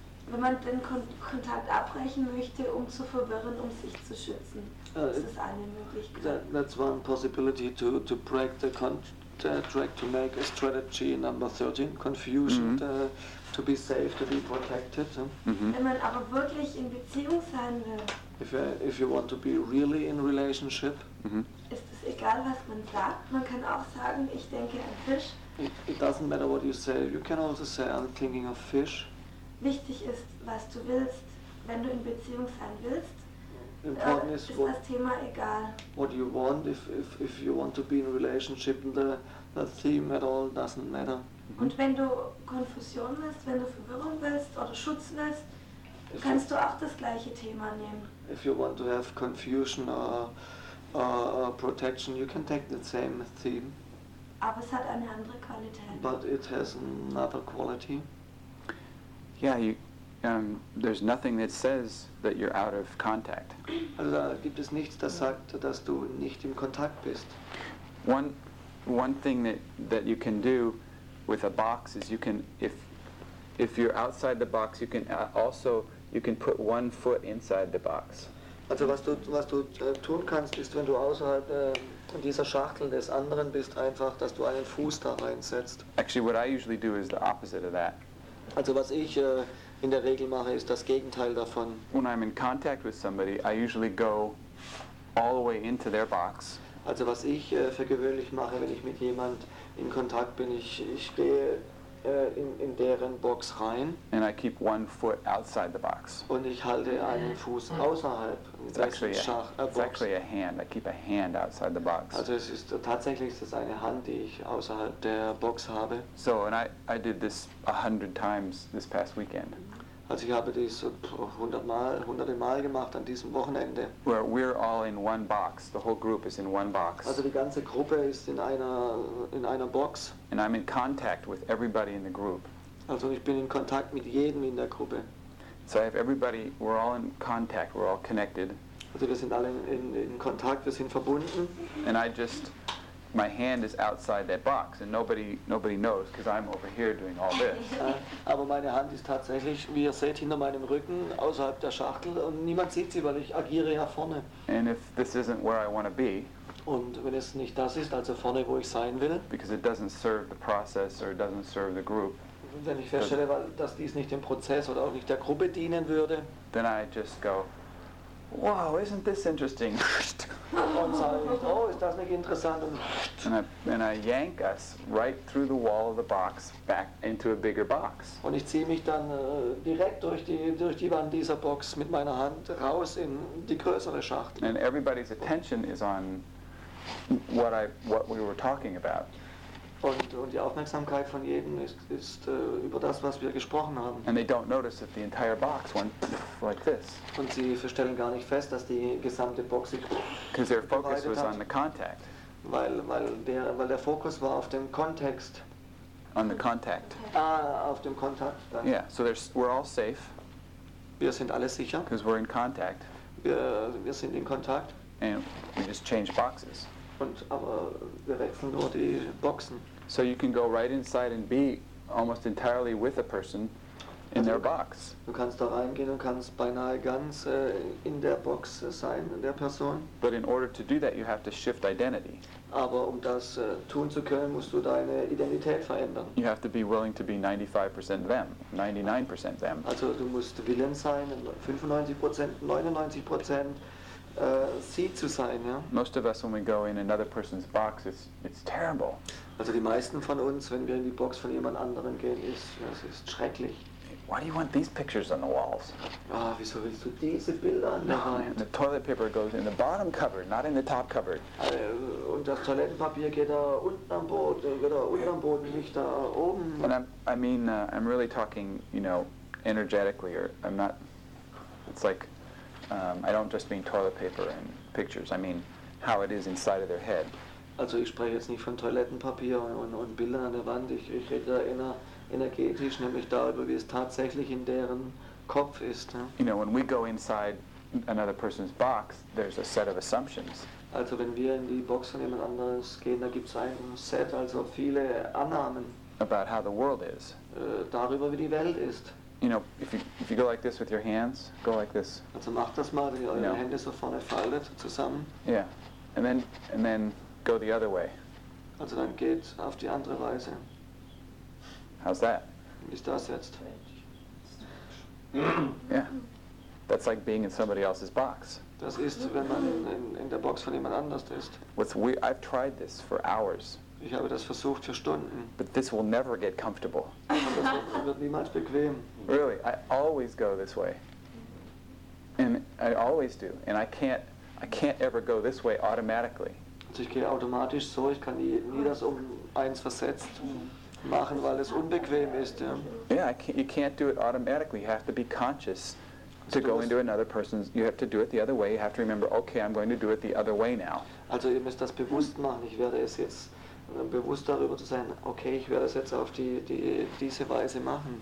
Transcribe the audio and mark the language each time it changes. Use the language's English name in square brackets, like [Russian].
[German] wenn man den Kontakt abbrechen möchte, um zu verwirren, um sich zu schützen, das ist eine Möglichkeit. [English] That's one possibility to break the contract, to make a strategy number 13, confusion, mm-hmm. To be safe, to be protected. Mm-hmm. [German] Wenn man aber wirklich in Beziehung sein will, [English] If you want to be really in relationship, mm-hmm. [German] Ist es egal, was man sagt. Man kann auch sagen, ich denke an Fisch. [English] It doesn't matter what you say. You can also say, I'm thinking of fish. [German] Wichtig ist, was du willst. Wenn du in Beziehung sein willst, ist das Thema egal. [English] What you want, if you want to be in relationship, the theme at all doesn't matter. Mm-hmm. [German] Und wenn du Konfusion willst, wenn du Verwirrung willst oder Schutz willst, kannst du auch das gleiche Thema nehmen. [English] If you want to have confusion or protection, you can take the same theme. [German] Aber es hat eine andere Qualität. [English] But it has another quality. Yeah, there's nothing that says that you're out of contact. [German] Also da gibt es nichts, das sagt, dass du nicht im Kontakt bist. [English] One thing that you can do with a box is you can, if you're outside the box, you can also you can put one foot inside the box. [German] Also was du tun kannst, ist, wenn du außerhalb dieser Schachtel des anderen bist, einfach, dass du einen Fuß da reinsetzt. [English] Actually, what I usually do is the opposite of that. [German] Also was ich in der Regel mache, ist das Gegenteil davon. [English] When I'm in contact with somebody, I usually go all the way into their box. [German] Also was ich für gewöhnlich mache, wenn ich mit jemand in Kontakt bin, ich gehe in deren Box rein. [English] And I keep one foot outside the box. [German] Und ich halte einen Fuß außerhalb. [English] Actually a hand. I keep a hand outside the box. [German] Also es ist tatsächlich eine Hand, die ich außerhalb der Box habe. [English] So, and I did this 100 times this past weekend. [German] Also ich habe dies hunderte Mal gemacht an diesem Wochenende. [English] Where we're all in one box. The whole group is in one box. [German] Also die ganze Gruppe ist in einer Box. [English] And I'm in contact with everybody in the group. [German] Also ich bin in Kontakt mit jedem in der Gruppe. [English] So I have everybody, we're all in contact, we're all connected. [German] Also wir sind alle in Kontakt, wir sind verbunden. [English] And I just, my hand is outside that box and nobody knows because I'm over here doing all this. [German] Aber meine Hand ist tatsächlich, wie ihr seht, hinter meinem Rücken, außerhalb der Schachtel und niemand sieht sie, weil ich agiere ja vorne. [English] And if this isn't where I want to be, [German] und wenn es nicht das ist, also vorne, wo ich sein will, [English] because it doesn't serve the process or it doesn't serve the group, [German] wenn ich feststelle, dass dies nicht dem Prozess oder auch nicht der Gruppe dienen würde, [English] then I just go, wow, isn't this interesting? And I yank us right through the wall of the box back into a bigger box. [German] Und ich ziehe mich dann direkt durch die Wand dieser Box mit meiner Hand raus in die größere Schachtel. [English] And everybody's attention is on what we were talking about. [German] Und die Aufmerksamkeit von jedem ist über das, was wir gesprochen haben. [English] And they don't notice that the entire box went like this. [German] Und sie verstellen gar nicht fest, dass die gesamte Box sich [English] because their focus was on the contact. [German] Weil der Fokus war auf dem Kontext. [English] On the contact. [German] Auf dem Kontakt. Dann. [English] Yeah, so we're all safe. [German] Wir sind alle sicher. [English] Because we're in contact. [German] Wir sind in Kontakt. [English] And we just change boxes. [German] Aber wir wechseln nur die Boxen. [English] So you can go right inside and be almost entirely with a person in their box. [German] Du kannst da reingehen und kannst beinahe ganz in der Box sein, in der Person. [English] But in order to do that, you have to shift identity. [German] Aber um das tun zu können, musst du deine Identität verändern. [English] You have to be willing to be 95% them, 99% them. [German] Also du musst willens sein, 95%, 99%. Sie zu sein, ja? [English] Most of us, when we go in another person's box, it's terrible. [German] Also die meisten von uns, wenn wir in die Box von jemand anderem gehen, ist schrecklich. [English] Why do you want these pictures on the walls? [German] Ah, oh, wieso willst du diese Bilder an der Wand? [English] The toilet paper goes in the bottom cupboard, not in the top cupboard. [German] Und das Toilettenpapier geht da unten am Boden, nicht da oben. [English] And I'm really talking, you know, energetically, or I'm not. It's like. I don't just mean toilet paper and pictures. I mean how it is inside of their head. [German] Also, ich spreche jetzt nicht von Toilettenpapier und Bildern an der Wand. Ich rede da energetisch, nämlich darüber, wie es tatsächlich in deren Kopf ist. Ne? [English] You know, when we go inside another person's box, there's a set of assumptions. [German] Also, wenn wir in die Box von jemand anderes gehen, da gibt's ein Set, also viele Annahmen. [English] About how the world is. [German] Darüber, wie die Welt ist. [English] You know, if you go like this with your hands, go like this. [German] Also macht das mal, wenn ihr eure Hände so vorne faltet, zusammen. [English] Yeah, and then go the other way. [German] Also dann geht auf die andere Weise. [English] How's that? [German] Wie ist das jetzt? [English] Yeah, that's like being in somebody else's box. [German] Das ist, wenn man in der Box von jemand anders ist. [English] I've tried this for hours. [German] Ich habe das versucht für Stunden. [English] But this will never get comfortable. [German] Das wird niemals bequem. [English] Really, I always go this way, and I always do, and I can't ever go this way automatically. [German] Also ich gehe automatisch so. Ich kann nie das um eins versetzt machen, weil es unbequem ist. Ja. [English] Yeah, you can't do it automatically. You have to be conscious to go into another person's. You have to do it the other way. You have to remember. Okay, I'm going to do it the other way now. [German] Also ihr müsst das bewusst machen. Ich werde es jetzt. Bewusst darüber zu sein, okay, ich werde es jetzt auf diese Weise machen.